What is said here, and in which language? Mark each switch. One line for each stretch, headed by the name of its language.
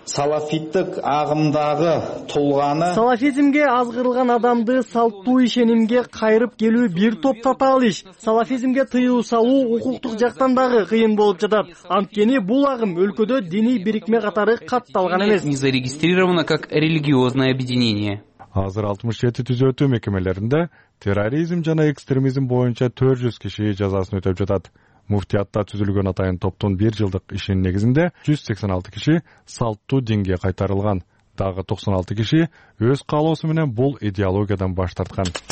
Kyrgyz: Салафиттик агымдагы тулганы салафизмге азгырылган адамды салттуу ишенимге кайрып келүү бир топ татаал иш. Салафизмге тыюу салуу укуктук жактан дагы кыйын болуп жатат. Анткени бул агым өлкөдө диний бирикме катары катталган эмес.
Russian: Не зарегистрировано как религиозное объединение.
Kyrgyz: Азыр 67 түзөтүү мекемелеринде терроризм жана экстремизм боюнча 400 киши жазасын өтөп жатат. Муфтиятта түзүлгөн атайын топтун 1 жылдык ишинин негизинде 186 киши салттуу динге кайтарылган. Дагы 96 киши өз каалоосу менен бул идеологиядан баш тарткан.